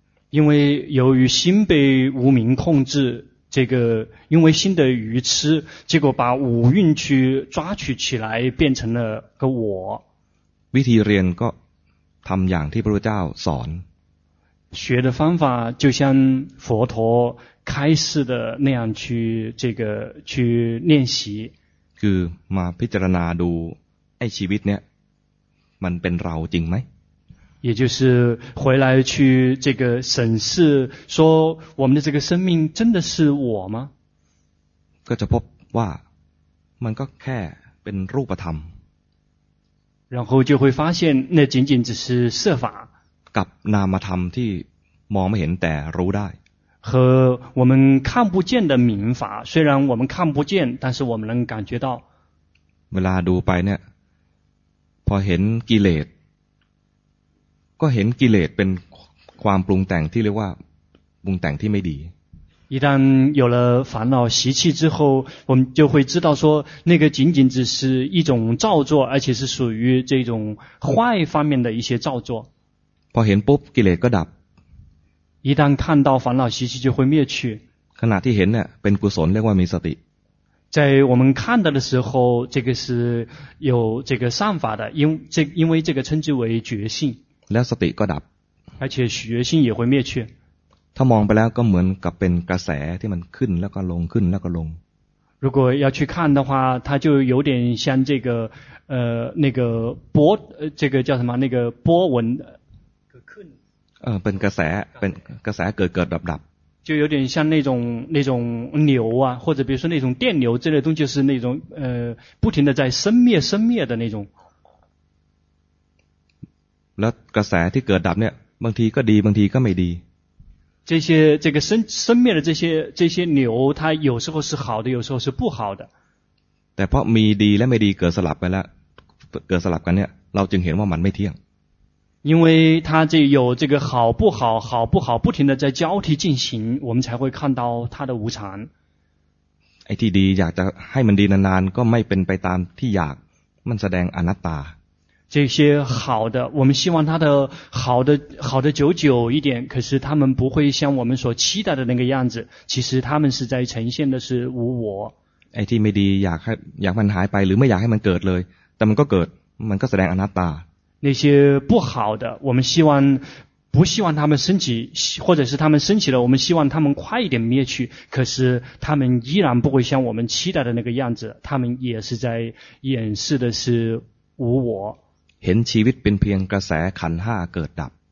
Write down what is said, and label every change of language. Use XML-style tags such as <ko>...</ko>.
<zh>因为由于心被无明控制这个因为心的愚痴结果把五蕴去抓取起来变成了个我</zh> <th>วิธีเรียนก็ทำอย่างที่พระพุทธเจ้าสอน</th> <zh>学的方法就像佛陀开示的那样去这个去练习</zh> <th>คือมาพิจารณาดูไอ้ชีวิตเนี่ยมันเป็นเราจริงไหม</th> <zh>也就是回来去这个审视说我们的这个生命真的是我吗</zh> <th>ก็จะพบว่ามันก็แค่เป็นรูปธรรม</th> <zh>然后就会发现那仅仅只是色法</zh> <th>กับนามธรรมที่มองไม่เห็นแต่รู้ได้</th> <zh>和我们看不见的明法虽然我们看不见但是我们能感觉到</zh> <th>เวลาดูไปเนี่ยพอเห็นกิเลสก็เห็นกิเลสเป็นความปรุงแต่งที่เรียกว่าปรุงแต่งที่ไม่ดี</th> <zh>一旦有了烦恼习气之后我们就会知道说那个仅仅只是一种造作而且是属于这种坏方面的一些造作</zh> <th>พอเห็นปุ๊บกิเลสก็ดับ</th> <zh>一旦看到烦恼习气就会灭去</zh> <th>ขณะที่เห็นเนี่ยเป็นกุศลเรียกว่ามีสติ</th> <zh>在我们看到的时候这个是有这个善法的因为这个称之为觉性</zh> <th>แล้วสติก็ดับ</th> <zh>而且觉性也会灭去</zh> <th>ถ้ามองไปแล้วก็เหมือนกับเป็นกระแสที่มันขึ้นแล้วก็ลงขึ้นแล้วก็ลง</th> <zh>如果要去看的话它就有点像这个那个波这个叫什么那个波纹</zh> <th>เป็นกระแสเป็นกระแสเกิดดับดับ</th> <zh>就有点像那种牛啊或者比如说那种电牛之类的东西就是那种不停的在生灭的那种</zh> <th>แล้วกระแสที่เกิดดับเนี่ยบางทีก็ดีบางทีก็ไม่ดี</th> <zh>这些这个生灭的这些牛它有时候是好的有时候是不好的</zh> <th>แต่เพราะมีดีและไม่ดีเกิดสลับไปแล้วเกิดสลับกันเนี่ยเราจึงเห็นว่ามันไม่เที่ยง</th> <zh>因为它这有这个好不好好不好不停的在交替进行我们才会看到它的无常</zh> <th>ไอ้ที่ดีอยากจะให้มันดีนานๆก็ไม่เป็นไปตามที่อยากมันแสดงอนัตตา</th> <zh>这些好的我们希望它的好的好的久久一点可是它们不会像我们所期待的那个样子其实它们是在呈现的是无我</zh> <th>ไอ้ที่ไม่ดีอยากมันหายไปหรือไม่อยากให้มันเกิดเลยแต่มันก็เกิดมันก็แสดงอนัตตา</th> <zh>那些不好的我们不希望他们升起或者是他们升起了我们希望他们快一点灭去可是他们依然不会像我们期待的那个样子他们也是在掩饰的是无我</zh> <th>เห็นชีวิตเป็นเพียงกระแสขันธ์ 5เกิดดับ</th>